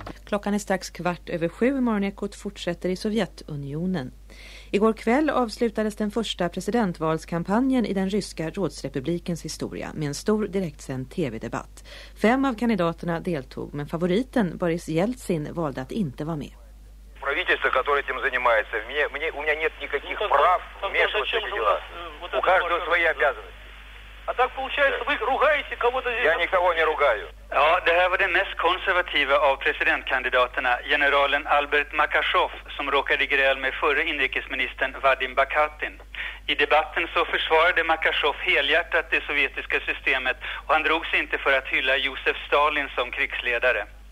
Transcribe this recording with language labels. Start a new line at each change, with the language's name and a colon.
Swedish: Klockan är strax 7:15. Morgonekot fortsätter i Sovjetunionen. Igår kväll avslutades den första presidentvalskampanjen i den ryska rådsrepublikens historia med en stor direktsänd tv-debatt. Fem av kandidaterna deltog, men favoriten Boris Jeltsin valde att inte vara med.
Russian: Правительство, которое этим занимается, мне у меня нет никаких прав вмешиваться в эти дела. У каждого свои обязанности. А так получается, вы ругаете кого-то здесь? Я никого не ругаю.
Swedish: Ja, det här var den mest konservativa av presidentkandidaterna, generalen Albert Makarsov, som råkade i gräl med förre inrikesministern Vadim Bakatin. I debatten så försvarade Makarsov helhjärtat det sovjetiska systemet, och han drog sig inte för att hylla Josef Stalin som krigsledare.